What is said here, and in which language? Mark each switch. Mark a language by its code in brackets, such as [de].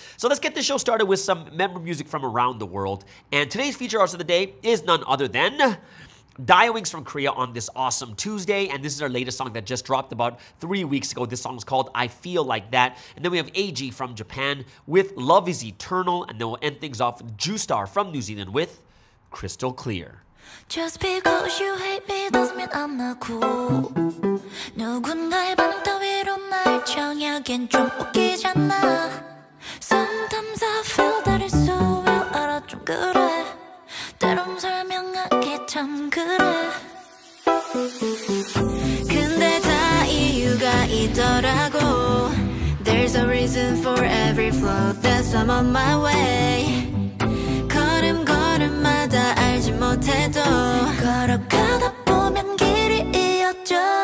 [en] So let's get the show started with some member music from around the world. And today's feature artist of the day is none other than Dire Wings from Korea on this awesome Tuesday, and this is our latest song that just dropped about 3 weeks ago. This song is called I Feel Like That, and then we have AG from Japan with Love Is Eternal, and then we'll end things off with Juustar from New Zealand with Crystal Clear. Just because you hate me doesn't mean I'm not cool. [ko] 누군가의 반응 따위로 날 정하긴 좀 웃기잖아. [en] Sometimes I feel that it's so well [ko] 알아 좀 그래. 때론 설명하기 참 그래. 근데 다 이유가 있더라고. [en] There's a reason for every flaw. That's why I'm on my way. [ko] 걸음걸음마다 알지 못해도 걸어가다 보면 길이 이어져.